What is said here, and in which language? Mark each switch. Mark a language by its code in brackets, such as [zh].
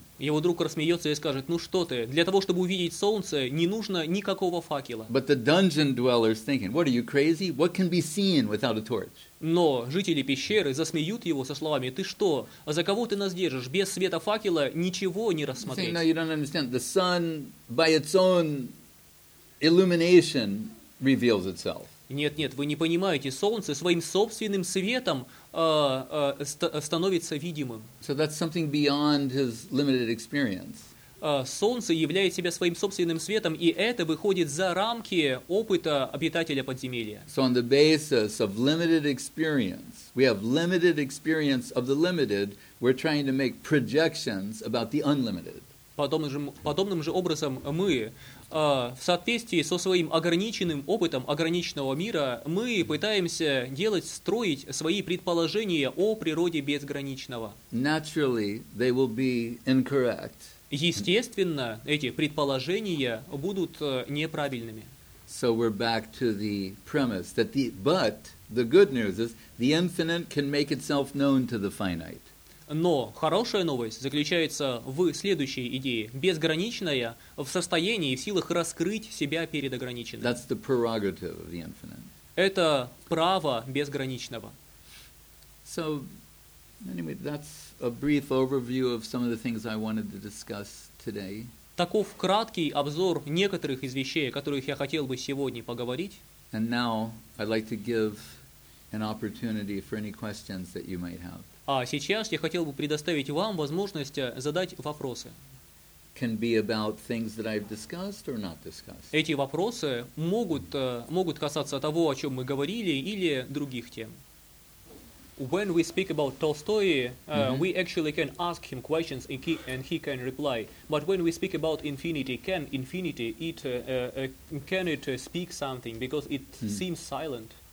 [ru] Его друг рассмеется и скажет, «Ну что ты, для того, чтобы увидеть солнце, не нужно никакого факела». [en] But the dungeon dwellers thinking, «What are you crazy? What can be seen without a torch?» [ru] Но жители пещеры засмеют его со словами, «Ты что, за кого ты нас держишь? Без света факела ничего не рассмотреть». [en] Saying, «No, you don't understand. The sun by its own illumination reveals itself». [ru] Нет, вы не понимаете, солнце своим собственным светом становится видимым. [en] So that's something beyond his limited experience. [ru] Солнце являет себя своим собственным светом, и это выходит за рамки опыта обитателя подземелья. [en] So on the basis of limited experience, we have limited experience of the limited, we're trying to make projections about the unlimited. [ru] Подобным же образом мы, в соответствии со своим ограниченным опытом ограниченного мира, мы пытаемся строить свои предположения о природе безграничного. [en] Naturally, they will be incorrect. [ru] Естественно, эти предположения будут неправильными. [en] So we're back to the premise that the good news is the infinite can make itself known to the finite. [ru] Но хорошая новость заключается в следующей идее. Безграничное в состоянии и в силах раскрыть себя перед ограниченным. [en] That's the prerogative of the infinite. [ru] Это право безграничного. [en] So anyway, that's a brief overview of some of the things I wanted to discuss today. [ru] Таков краткий обзор некоторых из вещей, о которых я хотел бы сегодня поговорить. [en] And now I'd like to give an opportunity for any questions that you might have. [ru] А сейчас я хотел бы предоставить вам возможность задать вопросы. [en] Can be about things that I've discussed or not discussed. [ru] Эти вопросы могут касаться того, о чем мы говорили, или других тем. [en] When we speak about Tolstoy, we actually can ask him questions and he can reply. But when we speak about infinity, can infinity it can it speak something because it seems silent?